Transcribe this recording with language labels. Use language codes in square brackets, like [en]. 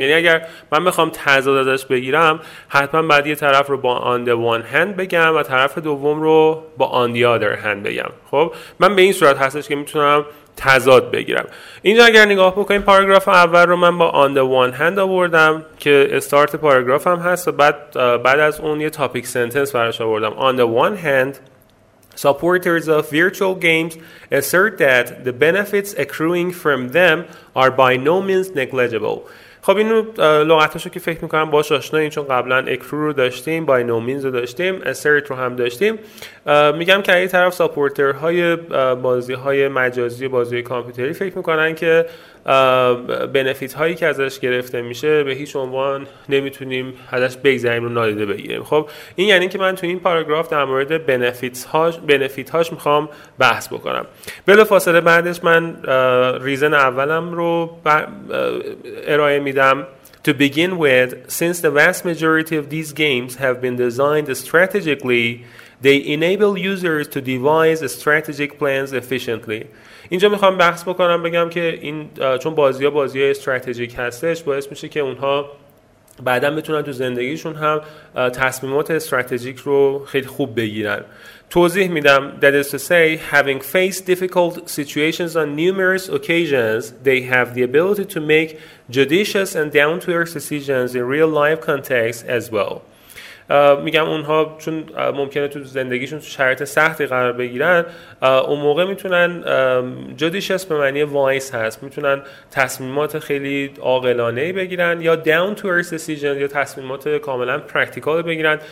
[fa] یعنی اگر من بخوام تضاد ازش بگیرم حتما بعد یه طرف رو با [en] on the one hand [fa] بگم و طرف دوم رو با [en] on the other hand [fa] بگم. خب من به این صورت هستش که میتونم تضاد بگیرم. اینجا اگر نگاه بکنیم پاراگراف اول رو من با [en] on the one hand [fa] آوردم که استارت پاراگرافم هست و بعد از اون یه تاپیک سنتنس براش آوردم. [en] On the one hand, supporters of virtual games assert that the benefits accruing from them are by no means negligible. [fa] خب اینو لغتشو که فکر میکنم باش آشنایین، چون قبلا accrue رو داشتیم، by no means رو داشتیم، assert رو هم داشتیم. میگم که از یه طرف ساپورتر های بازی های مجازی بازی کامپیوتری فکر میکنن که بنفیت هایی که ازش گرفته میشه به هیچ عنوان نمیتونیم ازش بگذاریم رو نادیده بگیریم. خب این یعنی که من تو این پاراگراف در مورد بنفیت هاش میخوام بحث بکنم. بلافاصله بعدش من ریزن اولم رو ارائه میدم. [en] To begin with, since the vast majority of these games have been designed strategically, they enable users to devise strategic plans efficiently. [fa] اینجا میخوام بحث بکنم، بگم که این چون بازی‌ها استراتژیک هستش، باعث میشه که اونها بعداً بتونن تو زندگیشون هم تصمیمات استراتژیک رو خیلی خوب بگیرن. توضیح میدم. [en] That is to say, having faced difficult situations on numerous occasions, they have the ability to make judicious and down-to-earth decisions in real-life context as well. [fa] میگم اونها چون ممکنه تو زندگیشون تو شرایط سختی قرار بگیرن، اون موقع میتونن judicious به معنی وایس هست، میتونن تصمیمات خیلی عاقلانه بگیرن یا [en] down to earth decisions [fa] یا تصمیمات کاملا practical بگیرن.